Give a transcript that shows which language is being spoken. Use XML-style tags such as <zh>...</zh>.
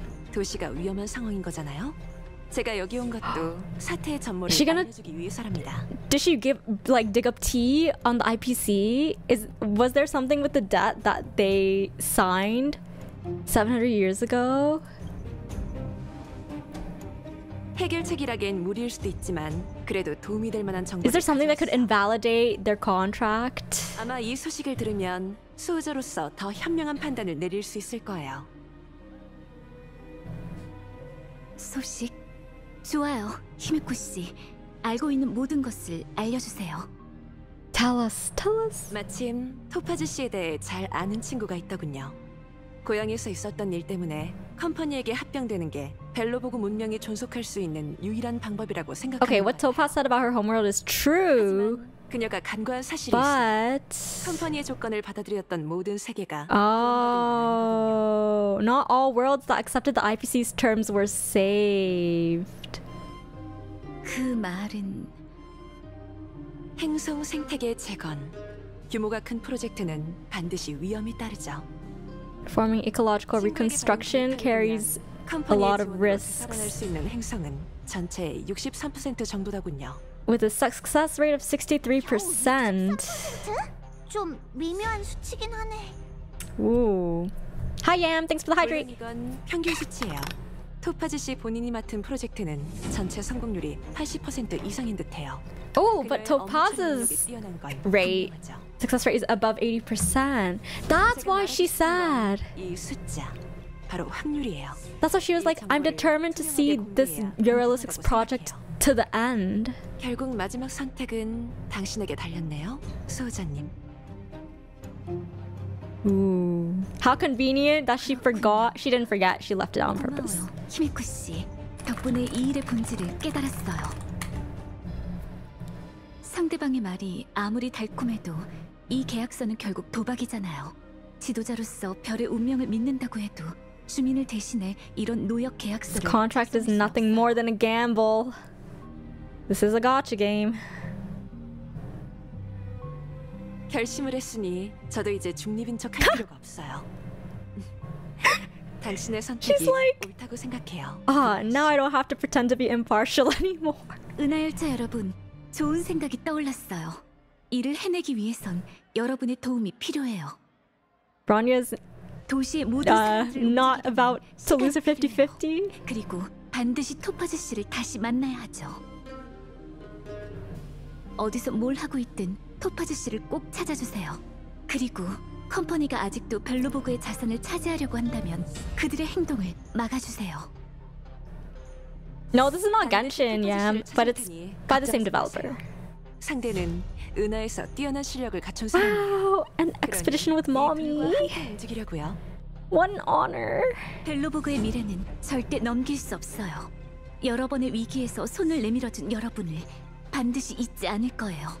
<ko>도시가 위험한 상황인 거잖아요. 제가 여기 온 것도 사태의 전모를 알려주기 위해서랍니다.</ko> <en>Did she give like dig up tea on the IPC? Was there something with the debt that they signed 700 years ago?</en> <ko>해결책이라기엔 무리일 수도 있지만 그래도 도움이 될 만한 정보.</ko> <en>Is there something that could invalidate their contract?</en> <ko>아마 이 소식을 들으면 수호자로서 더 현명한 판단을 내릴 수 있을 거예요. 소식 좋아요, 히메코 씨. 알고 있는 모든 것을 알려주세요.</ko> <en>Tell us, tell us.</en> <ko>마침 토파즈 씨에 대해 잘 아는 친구가 있더군요. 고향에서 있었던 일 때문에 컴퍼니에게 합병되는 게 벨로보그 문명에 존속할 수 있는 유일한 방법이라고 생각합니다.</ko> <en>Okay, what Topaz said about her homeworld is true.</en> <ko>하지만 그녀가 간과한 사실이 있어.</ko> <en>But</en> <ko>컴퍼니의 조건을 받아들였던 모든 세계가</ko> <en>Oh, not all worlds that accepted the IPC's terms were saved.</en> <ko>그 말은 행성 생태계 재건 규모가 큰 프로젝트는 반드시 위험이 따르죠.</ko> <en>Forming ecological reconstruction carries a lot of risks.</en> <ko>살아날 수 있는 행성은 전체 63% 정도다군요.</ko> <en>With a success rate of 63%.</en> <ko>좀 미묘한 수치긴 하네.</ko> <en>Hi Yam, thanks for the hydrate.</en> <ko>이건 평균 수치예요. 토파즈 씨 본인이 맡은 프로젝트는 전체 성공률이 80% 이상인 듯해요.</ko> <en>Oh, but Topaz's rate, success rate is above 80%. That's why she said. That's why she was like, I'm determined to see this Jarilo VI project to the end.</en> <ko>결국 마지막 선택은 당신에게 달렸네요, 수호자님.</ko> <en>How convenient that she forgot. She didn't forget. She left it on purpose.</en> <ko>히메코 씨, 덕분에 이 일의 본질을 깨달았어요. 상대방의 말이 아무리 달콤해도 이 계약서는 결국 도박이잖아요. 지도자로서 별의 운명을 믿는다고 해도 주민을 대신해 이런 노역 계약서를</ko> <en>This contract is nothing more than a gamble. This is a gacha game.</en> <ko>결심을 했으니 저도 이제 중립인 척할 필요가 없어요. 당신의 선택이 옳다고 생각해요.</ko> <en>Now I don't have to pretend to be impartial anymore.</en> <ko>은하 열차 여러분, 좋은 생각이 떠올랐어요. 일을 해내기 위해선 여러분의 도움이 필요해요.</ko> <en>Bronya's</en> <ko>도시의 모든</ko> <en>not about to lose 50-50.</en> <ko>그리고 반드시 토파즈 씨를 다시 만나야 하죠. 어디서 뭘 하고 있든 토파즈 씨를 꼭 찾아주세요. 그리고 컴퍼니가 아직도 벨로보그의 자산을 차지하려고 한다면 그들의 행동을 막아주세요.</ko> <en>No, this is not Genshin, Yam, but it's by the same developer.</en> <ko>상대는 은하에서 뛰어난 실력을 갖춘 사람.</ko> <en>An expedition with mommy.</en> <ko>움직이려고요.</ko> <en>One honor.</en> <ko>벨로보그의 미래는 절대 넘길 수 없어요. 여러 번의 위기에서 손을 내밀어준 여러분을 반드시 잊지 않을 거예요.</ko>